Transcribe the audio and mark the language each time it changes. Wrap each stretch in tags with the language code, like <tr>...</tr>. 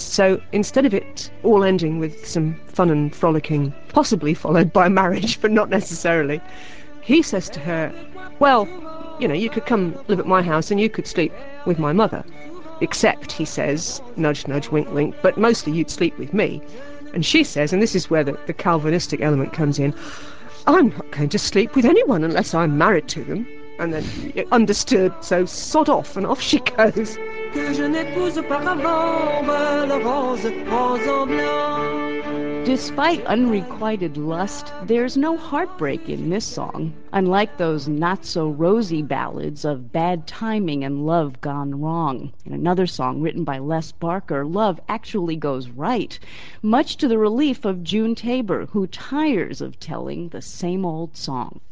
<en>So instead of it all ending with some fun and frolicking, possibly followed by marriage, but not necessarily, he says to her, "Well, you know, you could come live at my house and you could sleep with my mother. Except," he says, nudge, nudge, wink, wink, "but mostly you'd sleep with me." And she says, and this is where the Calvinistic element comes in, I'm not going to sleep with anyone unless I'm married to them. And then, understood, so sod off, and off she goes.</en> <fr>Que je n'épouse pas avant, belle rose, rose en blanc.</fr> <en>Despite unrequited lust, there's no heartbreak in this song. Unlike those not-so-rosy ballads of bad timing and love gone wrong, in another song written by Les Barker, love actually goes right, much to the relief of June Tabor, who tires of telling the same old song.</en>